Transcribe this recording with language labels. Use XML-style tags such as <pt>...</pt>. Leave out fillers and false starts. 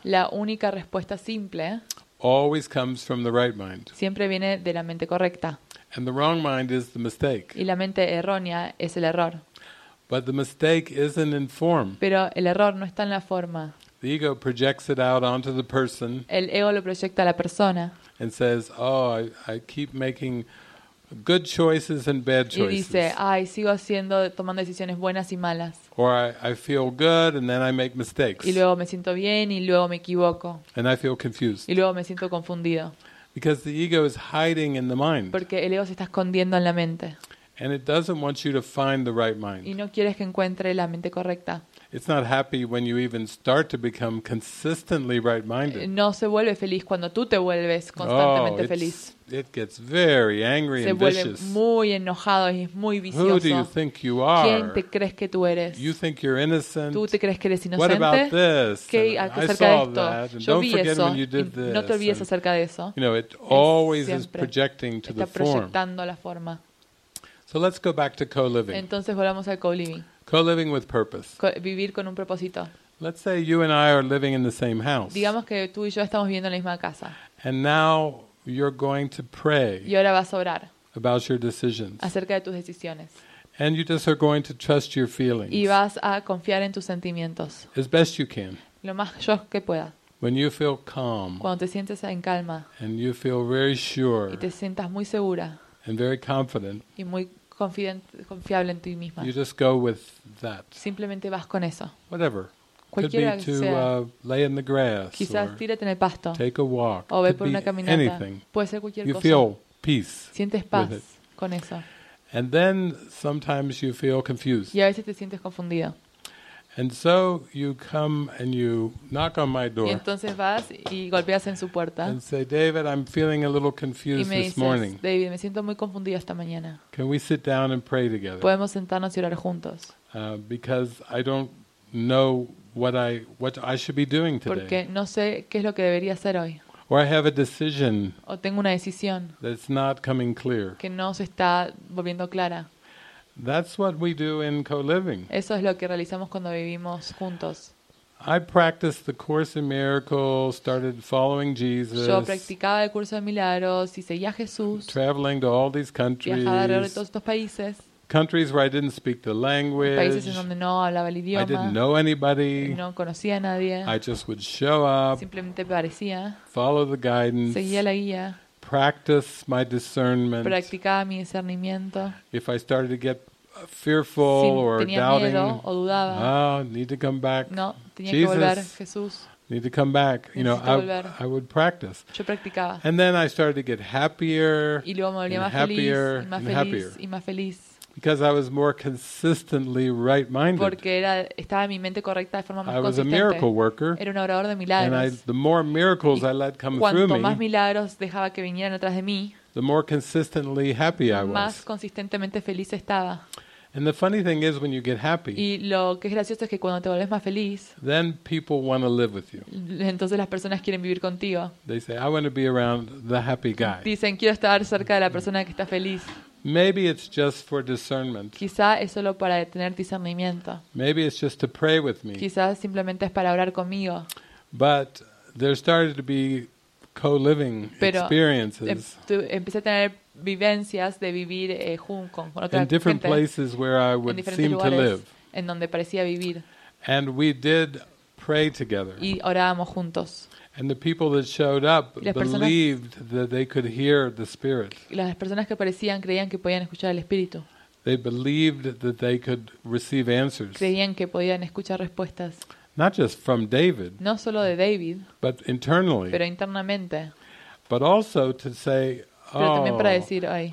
<es>la única respuesta simple,</es> <en>always comes from the right mind.</en> <es>Siempre viene de la mente correcta.</es> <en>And the wrong mind is the mistake.</en> <es>Y la mente errónea es el error.</es> <en>But the mistake isn't in form.</en> <es>Pero el error no está en la forma.</es> <en>The ego projects it out onto the person.</en> <es>El ego lo proyecta a la persona.</es> <en>And says, "Oh, I keep making good choices and bad choices."</en> <es>Y dice, "Ay, sigo haciendo tomando decisiones buenas y malas."</es> <en>Or I feel good and then I make mistakes.</en> <es>Y luego me siento bien y luego me equivoco.</es> <en>And I feel confused.</en> <es>Y luego me siento confundido.</es> <en>Because the ego is hiding in the mind.</en> <es>Porque el ego se está escondiendo en la mente.</es> <en>And it doesn't want you to find the right mind.</en> <es>Y no quieres que encuentre la mente correcta.</es> <en>It's not happy when you even start to become consistently right-minded.</en> <es>No se vuelve feliz cuando tú te vuelves constantemente feliz.</es> <en>It gets very angry</en> <es>se</es> <en>and vicious.</en> <es>Se vuelve muy enojado y muy vicioso.</es> <en>Who do you think you are?</en> <es>¿Quién te crees que tú eres?</es> <en>You think you're innocent.</en> <es>¿Tú te crees que eres inocente?</es> <en>What about this?</en> <es>¿Qué acerca de esto? Yo vi eso.</es> <en>When you did this.</en> <es>No te olvides acerca de eso.</es> <en>You know, it always is projecting to the form.</en> <es>Está proyectando la forma.</es> <en>So let's go back to co-living.</en> <es>Entonces volvamos al co-living.</es> <en>Co-living with purpose.</en> <es>Vivir con un propósito.</es> <en>Let's say you and I are living in the same house.</en> <es>Digamos que tú y yo estamos viviendo en la misma casa.</es> <en>And now you're going to pray.</en> <es>Y ahora vas a orar.</es> <en>About your decisions.</en> <es>Acerca de tus decisiones.</es> <en>And you just are going to trust your feelings.</en> <es>Y vas a confiar en tus sentimientos.</es> <en>As best you can.</en> <es>Lo más yo que pueda.</es> <en>When you feel calm.</en> <es>Cuando te sientes en calma.</es> <en>And you feel very sure.</en> <es>Y te sientas muy segura.</es> <en>And very confident.</en> <es>Y muy confiable en ti misma.</es> <en>You just go with that.</en> <es>Simplemente vas con eso.</es> <en>Whatever.</en> <es>Cualquiera</es> <en>could be to lay in the grass.</en> <es>Quizás tírate en el pasto.</es> <en>Take a walk.</en> <es>O ve por una caminata.</es> <en>Anything.</en> <es>Puede ser cualquier</es> <en>you</en> <es>cosa.</es> <en>Feel peace.</en> <es>Sientes paz</es> <en>with it.</en> <es>Con eso.</es> <en>And then sometimes you feel confused.</en> <es>Y a veces te sientes confundido.</es> <en>And so you come and you knock on my door.</en> <es>Y entonces vas y golpeas en su puerta.</es> <en>And say, David, I'm feeling a little confused</en> <es>y me dices,</es> <en>this morning.</en> <es>David, me siento muy confundido esta mañana.</es> <en>Can we sit down and pray together?</en> <es>Podemos sentarnos y orar juntos.</es> <en>Because I don't know what I should be doing today.</en> <es>Porque no sé qué es lo que debería hacer hoy.</es> <en>Or I have a decision.</en> <es>O tengo una decisión.</es> <en>That's not coming clear.</en> <es>Que no se está volviendo clara.</es> <en>That's what we do in co-living.</en> <es>Eso es lo que realizamos cuando vivimos juntos.</es> <en>I practiced the Course in Miracles, started following Jesus.</en> <es>Yo practicaba el curso de milagros y seguía a Jesús.</es> <en>Traveling to all these countries.</en> <es>Viajaba alrededor de todos estos países.</es> <en>Countries where I didn't speak the language.</en> <es>Países en donde no hablaba el idioma.</es> <en>I didn't know anybody.</en> <es>No conocía a nadie.</es> <en>I just would show up.</en> <es>Simplemente aparecía.</es> <en>Follow the guidance.</en> <es>Seguía la guía.</es> <en>Practice my discernment.</en> <es>Practicaba mi discernimiento.</es> <en>If I started to get fearful</en> <es>si</es> <en>or doubting,</en> <es>miedo, o dudaba,</es> <en>oh, need to come back.</en> <es>No, tenía</es> <en>Jesus,</en> <es>que volver, Jesús.</es> <en>Need to come back.</en> <es>Necesito</es> <en>you know,</en> <es>volver.</es> <en>I would practice.</en> <es>Yo practicaba.</es> <en>And then I started to get happier</en> <es>y luego me volvía</es> <en>and happier</en> <es>feliz,</es> <en>and</en> <es>feliz,</es> <en>happier.</en> <es>Y más feliz.</es> <en>Because I was more consistently right-minded.</en> <es>Porque era, estaba mi mente correcta de forma más consistente.</es> <en>I was a miracle worker.</en> <es>Era un obrador de milagros.</es> <en>And the more miracles I let come through me.</en> <es>Cuanto más milagros dejaba que vinieran atrás de mí.</es> <en>The more consistently happy I was.</en> <es>Más consistentemente feliz estaba.</es> <en>And the funny thing is, when you get happy.</en> <es>Y lo que es gracioso es que cuando te vuelves más feliz.</es> <en>Then people want to live with you.</en> <es>Entonces las personas quieren vivir contigo.</es> <en>They say, I want to be around the happy guy.</en> <es>Dicen, quiero estar cerca de la persona que está feliz.</es> <en>Maybe it's just for discernment.</en> <es>Quizá es solo para tener discernimiento.</es> <en>Maybe it's just to pray with me.</en> <es>Quizá simplemente es para orar conmigo.</es> <en>But there started to be co-living experiences.</en> <es>Pero empecé a tener vivencias de vivir con otra gente.</es> <en>In different places where I would seem to live.</en> <es>En donde parecía vivir.</es> <en>And we did pray together.</en> <es>Y orábamos juntos.</es> <en>And the people that showed up believed that they could hear the Spirit.</en> <es>Las personas que aparecían creían que podían escuchar al Espíritu.</es> <en>They believed that they could receive answers.</en> <es>Creían que podían escuchar respuestas.</es> <en>Not just from David.</en> <es>No solo de David.</es> <en>But internally.</en> <es>Pero internamente.</es> <en>But also to say, oh,</en> <es>pero también para decir, ay,</es>